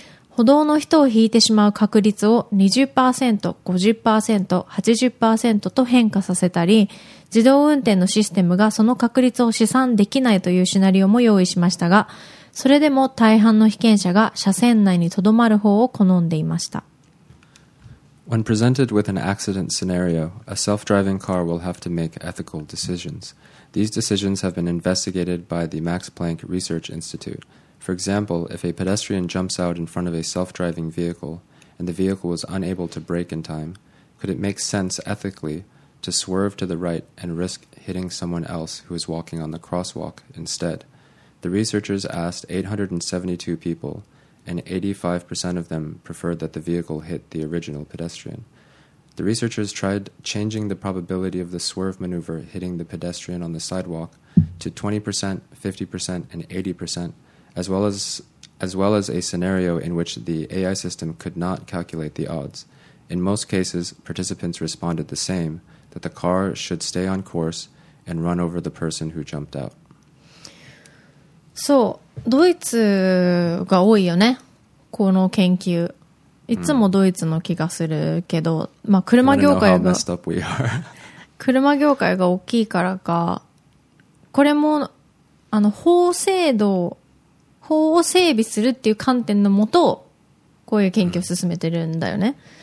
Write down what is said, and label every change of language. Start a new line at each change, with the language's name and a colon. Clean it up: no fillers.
Japanese: 歩道の人を引いてしまう確率を 20%、50%、80% と変化させたり、自動運転のシステムがその確率を試算できないというシナリオも用意しましたが、それでも大半の被験者が車線内に留まる方を好んでいました。
English: When presented with an accident scenario, a self-driving car will have to make ethical decisions. These decisions have been investigated by the Max Planck Research Institute. For example, if a pedestrian jumps out in front of a self-driving vehicle and the vehicle was unable to brake in time, could it make sense ethically to swerve to the right and risk hitting someone else who is walking on the crosswalk instead? The researchers asked 872 people, and 85% of them preferred that the vehicle hit the original pedestrian. The researchers tried changing the probability of the swerve maneuver hitting the pedestrian on the sidewalk to 20%, 50%, and 80%,as well as a scenario in which the AI system could not calculate the odds. In most cases, participants responded the same, that the car should stay on course and run over the person who jumped out.
Japanese: そう、ドイツが多いよね、この研究。いつもドイツの気がするけど、まあ、車業界が車業界が大きいからか、これもあの法制度、法を整備するっていう観点のもと、こういう研究を進めてるんだよね。